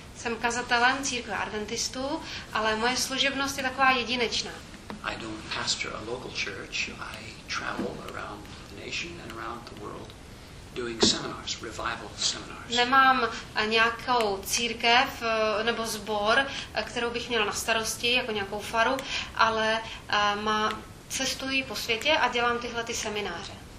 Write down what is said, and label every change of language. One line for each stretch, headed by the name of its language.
Czech: Jsem kazatelem církve adventistů, ale moje služebnost je taková jedinečná.
English: I don't pastor a local church. I travel around the nation and around the world doing seminars, revival seminars.
Czech: Nemám nějakou církev nebo sbor, kterou bych měl na starosti jako nějakou faru, ale cestuji po světě a dělám tyhle ty semináře.